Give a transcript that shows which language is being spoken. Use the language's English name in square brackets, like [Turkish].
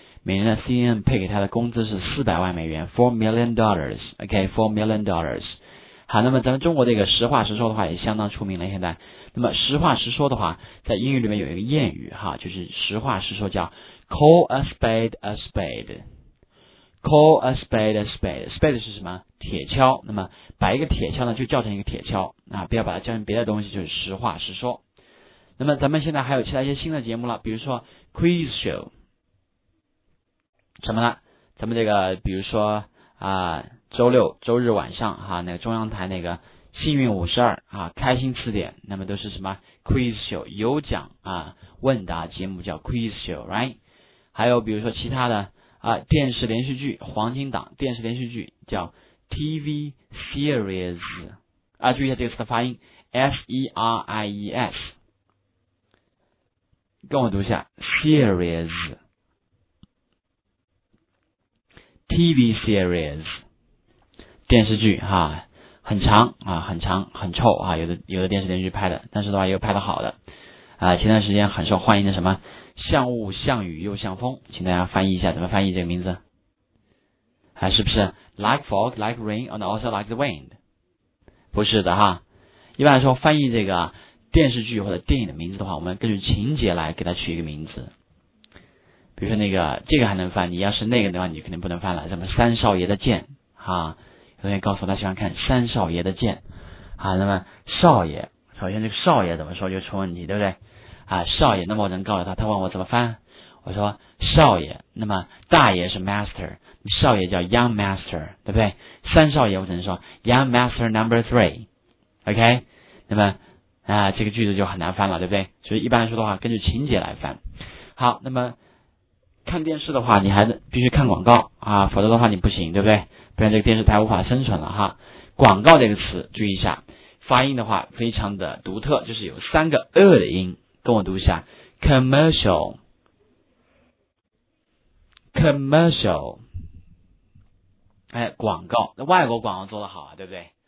[Chinese] 每年的 CNN 配给他的工资是$400,000 $4 million, OK, $4 million。好，那么咱们中国这个实话实说的话也相当出名了现在。那么实话实说的话在英语里面有一个谚语哈，就是实话实说叫 call a spade a spade。 [English] call a spade a spade, spade [Chinese] 是什么？铁锹。那么把一个铁锹呢就叫成一个铁锹啊，不要把它叫成别的东西，就是实话实说。那么咱们现在还有其他一些新的节目了，比如说 quiz show, 什么呢？咱们这个比如说啊，周六周日晚上哈，那个中央台那个幸运52啊，开心词典，那么都是什么 quiz show, 有奖啊问答节目叫 quiz show, right? 还有比如说其他的啊，电视连续剧黄金档电视连续剧叫 TV series, 啊注意一下这个词的发音 ,S-E-R-I-E-S, 跟我读一下 series, TV series, 电视剧哈、啊、很长啊，很长很臭啊，有的电视连续剧拍的，但是的话又拍的好的啊，前段时间很受欢迎的什么像雾像雨又像风，请大家翻译一下，怎么翻译这个名字？还、啊、是不是 [English] like fog, like rain, and also like the wind? [Chinese] 不是的哈。一般来说，翻译这个电视剧或者电影的名字的话，我们根据情节来给它取一个名字。比如说那个这个还能翻，你要是那个的话，你肯定不能翻了。什么三少爷的剑哈？有人告诉我他喜欢看三少爷的剑啊。那么少爷，首先这个少爷怎么说就出问题，对不对？啊，少爷，那么我能告诉他，他问我怎么翻，我说少爷，那么大爷是 master, 少爷叫 young master, 对不对？三少爷我只能说 [English] young master number three, OK? [Chinese] 那么啊，这个句子就很难翻了，对不对？所以一般来说的话根据情节来翻。好，那么看电视的话你还必须看广告啊，否则的话你不行，对不对？不然这个电视台无法生存了哈。广告这个词注意一下发音的话非常的独特，就是有三个恶的音，跟我读一下 commercial commercial, 哎，广告，那外国广告做得好啊，对不对？